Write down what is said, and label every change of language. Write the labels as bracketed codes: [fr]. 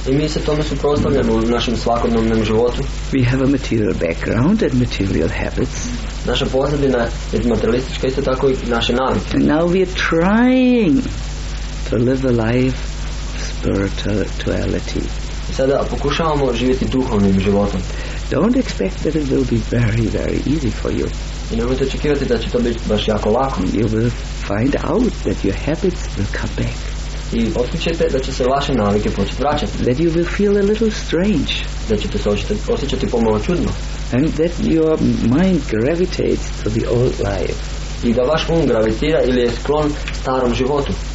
[hr] I mi se tome suprotstavljamo u našem svakodnevnom životu. [en] We have a material background and material habits. [hr] Naša pozadina je materialistička, isto tako i naše navike. [en] And now we are trying to live a life of spirituality. [hr] I sada pokušavamo živjeti duhovnim životom. [en] Don't expect that it will be very, very easy for you. [hr] I nemojte očekivati da će to biti baš jako lako. [en] You will find out that your habits will come back. [hr] I otkrićete da će se vaše navike početi vraćati. [en] That you will feel a little strange. [hr] Da ćete se osjećati pomalo čudno. [en] And that your mind gravitates to the old life. [hr] I da vaš um gravitira ili je sklon starom životu.